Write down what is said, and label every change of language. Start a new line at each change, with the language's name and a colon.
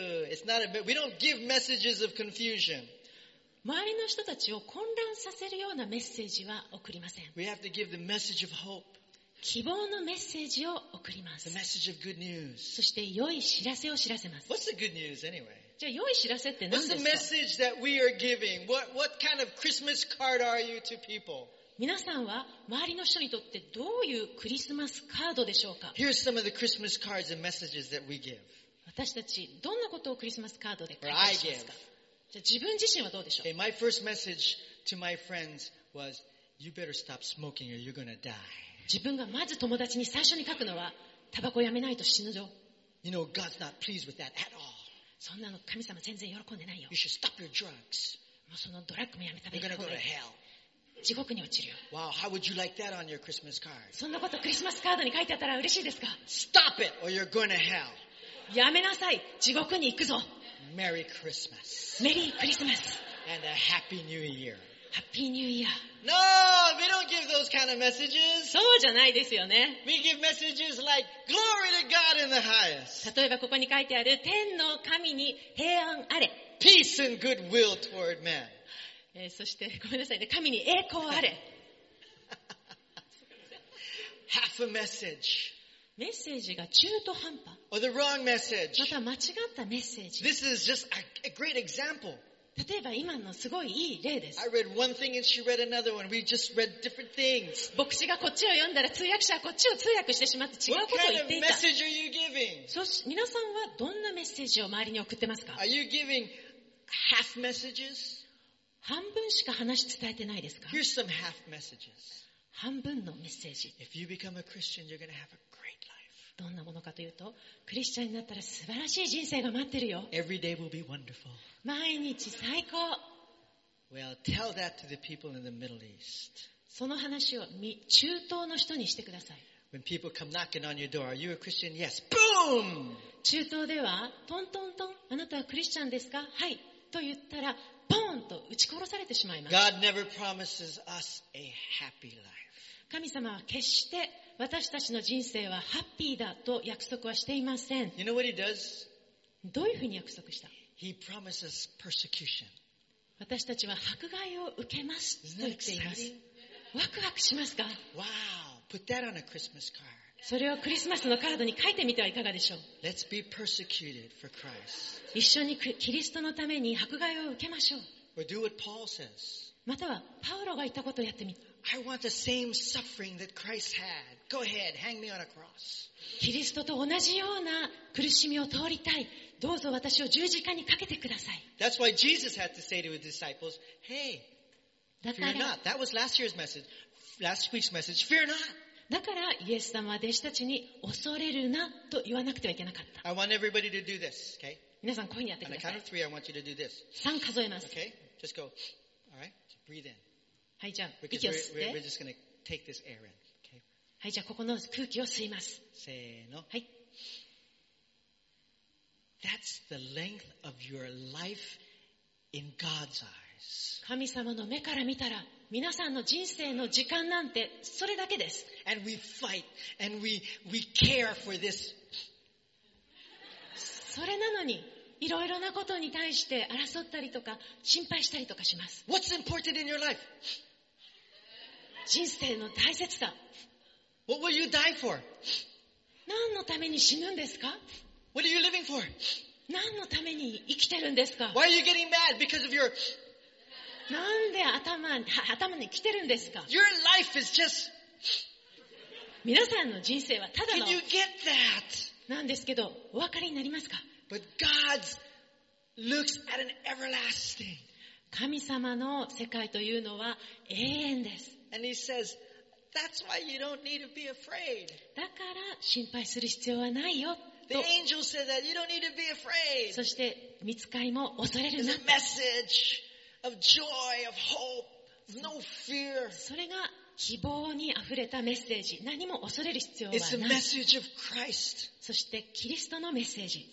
English: It's not a, we don't give messages of confusion.
Japanese: 周りの人たちを混乱させるようなメッセージは送りません。
English: We have to give the message of hope.
Japanese: 希望のメッセージを送ります。
English: The message of good news.
Japanese: そして良い知らせを知らせます。
English: What's the good news anyway?
Japanese: じゃあ良い知らせって何ですか。
English: What's the message that we are giving? What kind of Christmas card are you to people?
Japanese: 皆さんは周りの人にとってどういうクリスマスカードでしょうか。
English: Here's some of the Christmas cards and messages that we give.
Japanese: 私たちどんなことをクリスマスカードで書いてしますか。じゃあ自分自身はどうでしょう。
English: Okay, my first message to my friends was, You better stop smoking or you're gonna die.
Japanese: 自分がまず友達に最初に書くのはタバコやめないと死ぬぞ。
English: You know, God's not pleased with that at all.
Japanese: そんなの神様全然喜んでないよ。
English: You should stop your drugs.
Japanese: もうそのドラッグもやめた方がいい。
English: You're gonna go to hell.
Japanese: 地獄に落ちるよ。
English: Wow, how would you like that on your Christmas card?
Japanese: そんなことクリスマスカードに書いてあったら嬉しいですか?
English: Stop it or you're going to hell.
Japanese: やめなさい。地獄に行くぞ。
English: Merry Christmas.
Japanese: メリークリスマス。
English: And a Happy New Year. Happy New Year. No, we don't give those kind of messages.
Japanese: そうじゃないですよね。
English: We give messages like glory to God in the highest.
Japanese: 例えばここに書いてある天の神に平安あれ。
English: Peace and goodwill toward men.
Japanese: そしてごめんなさいね、神に栄光あれ。
English: Half a message.
Japanese: メッセージが中途半端。
English: Or the wrong message.
Japanese: また間違ったメッセージ。
English: This is just a great example.
Japanese: 例えば今のすごいいい例です。
English: I read one thing and she read another one. We just read different things.
Japanese: 牧師がこっちを読んだら通訳者はこっちを通訳してしまって違うことを言っていた。
English: What kind of message are you giving?
Japanese: 皆さんはどんなメッセージを周りに送ってますか?
English: Are you giving half messages?
Japanese: 半分しか話伝えてないですか?
English: Here's some half messages.
Japanese: 半分のメッセージ。
English: If you become a Christian, you're going to have a great life.
Japanese: どんなものかというと、クリスチャンになったら素晴らしい人生が待ってるよ。
English: Every day will be wonderful.
Japanese: 毎日最高。
English: Well, tell that to the people in the Middle East.
Japanese: その話を中東の人にしてください。
English: When people come knocking on your door, are you a Christian? Yes. Boom!
Japanese: 中東では、トントントン、あなたはクリスチャンですか?はい。と言ったら、ポーンと打ち殺されてしまいます。
English: God never promises us a happy life.
Japanese: 神様は決して私たちの人生はハッピーだと約束はしていません。
English: You know what he does?
Japanese: どういうふうに約束した?
English: He promises persecution.
Japanese: 私たちは迫害を受けますと言っています。ワクワクしますか?
English: Wow, put that on a Christmas card.
Japanese: それをクリスマスのカードに書いてみてはいかがでしょう?
English: Let's be persecuted for Christ.
Japanese: 一緒にキリストのために迫害を受けましょう。
English: Or do what Paul says.
Japanese: またはパウロが言ったことをやってみて。
English: I want the same suffering that Christ had. Go ahead, hang me on a cross.
Japanese: キリストと同じような苦しみを通りたい。どうぞ私を十字架にかけてください。
English: That's why Jesus had to say to his disciples, Hey, fear not. That was last year's message, last week's message, fear not.
Japanese: だからイエス様は弟子たちに恐れるなと言わなくてはいけなかった。
English: I want everybody to do this, okay?
Japanese: 皆さん声にやってください。
English: On the count of three, I want you to do this.
Japanese: 三数えます。
English: Okay? Just go. All right? Just breathe in.
Japanese: はい、じゃあ息を吸って。
English: Because we're just going to take this air in. Okay?
Japanese: はい、じゃあここの空気を吸います。せーの。はい。
English: That's the length of your life in God's eyes.
Japanese: 神様の目から見たら、皆さんの人生の時間なんてそれだけです。
English: And we fight and we care for this.
Japanese: それなのに、いろいろなことに対して争ったりとか心配したりとかします。
English: What's important in your life?
Japanese: 人生の大切さ。
English: What will you die for?
Japanese: 何のために死ぬんですか?
English: What are you living for?
Japanese: 何のために生きてるんですか?
English: Why are you getting mad? Because of your...
Japanese: なんで頭に来てるんですか?
English: Your life is just...
Japanese: 皆さんの人生はただの...
English: Can you get that?
Japanese: なんですけど、お分かりになりますか?
English: But God looks at an everlasting...
Japanese: 神様の世界というのは永遠です。
English: And he says... That's why you don't need to be afraid.
Japanese: だから心配する必要はないよ。
English: The angel said that you don't need to be afraid.
Japanese: そして御使いも恐れるな。
English: It's a message of joy, of hope, no fear.
Japanese: それが希望にあふれたメッセージ。何も恐れる必要はない。
English: It's a message of Christ.
Japanese: そしてキリストのメッセージ。